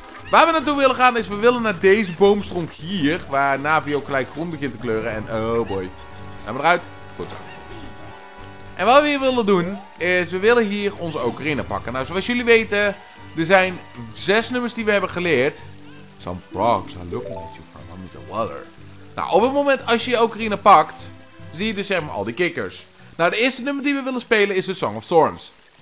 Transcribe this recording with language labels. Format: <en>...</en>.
<nl>Waar we naartoe willen gaan is, we willen naar deze boomstronk hier, waar Navi ook gelijk groen begint te kleuren. En oh boy. Gaan we eruit? Goed zo. En wat we hier willen doen is, we willen hier onze ocarina pakken. Nou, zoals jullie weten, er zijn 6 nummers die we hebben geleerd.</nl> <en>Some frogs are looking at you from under the water.</en> <nl>Nou, op het moment als je je ocarina pakt, zie je dus zeg maar al die kikkers. Nou, de eerste nummer die we willen spelen is de Song of Storms.</nl>